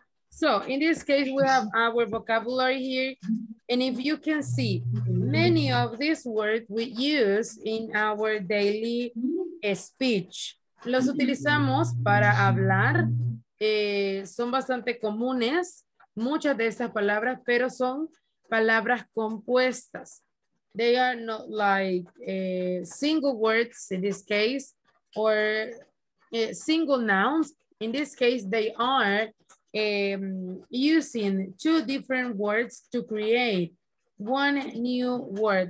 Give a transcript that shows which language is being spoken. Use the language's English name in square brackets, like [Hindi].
[English] So, in this case, we have our vocabulary here. And if you can see, many of these words we use in our daily speech. [Spanish] Los utilizamos para hablar. Son bastante comunes, muchas de estas palabras, pero son palabras compuestas. [English] They are not like single words in this case, or single nouns. In this case, they are using two different words to create one new word.